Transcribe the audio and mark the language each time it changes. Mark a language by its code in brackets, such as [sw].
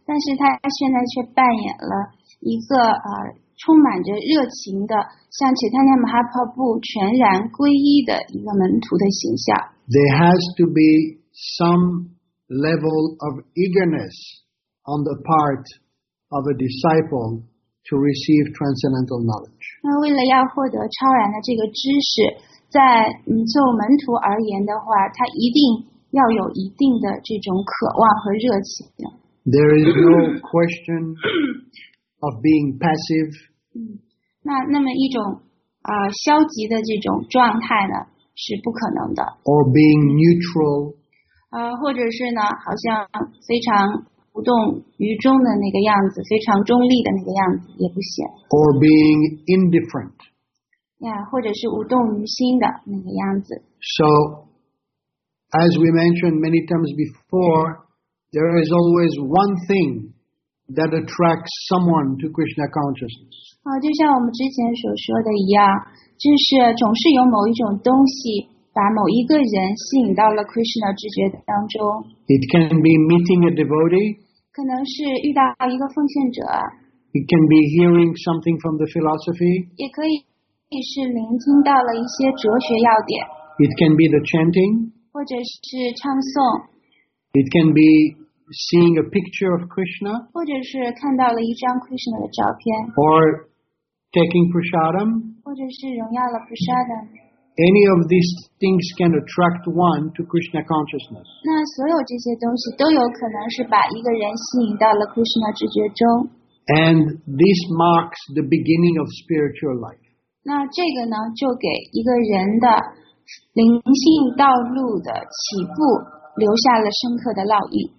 [zh] 但是他现在却扮演了一个充满着热情的，像 Chaitanya Mahaprabhu 全然皈依的一个门徒的形象。 [en] There has to be some level of eagerness on the part of a disciple. To receive transcendental knowledge. [zh] 那为了要获得超然的这个知识，在做门徒而言的话，他一定要有一定的这种渴望和热情。 [en] There is no question of being passive. [zh] 那么一种消极的这种状态呢，是不可能的。 [en] Or being neutral. [zh] 或者是呢，好像非常。无动于衷的那个样子，非常中立的那个样子也不行。 [en] Or being indifferent. [zh] Yeah, 或者是无动于心的那个样子。 [en] So, as we mentioned many times before, there is always one thing that attracts someone to Krishna consciousness. [zh] 就像我们之前所说的一样，就是总是有某一种东西把某一个人吸引到了 Krishna 知觉当中。 [en] It can be meeting a devotee. [zh] 可能是遇到一个奉献者。 [en] It can be hearing something from the philosophy. [zh] 也可以是聆听到了一些哲学要点。 [en] It can be the chanting. [zh] 或者是唱诵。 [en] It can be seeing a picture of Krishna. [zh] 或者是看到了一张 Krishna 的照片。 [en] Or taking prasadam. [zh] 或者是荣耀了 prasadam。 [en] Any of these things can attract one to Krishna consciousness. [zh] 那所有这些东西都有可能是把一个人吸引到了 Krishna 知觉中。 [en] And this marks the beginning of spiritual life. [zh] 那这个呢，就给一个人的灵性道路的起步留下了深刻的烙印。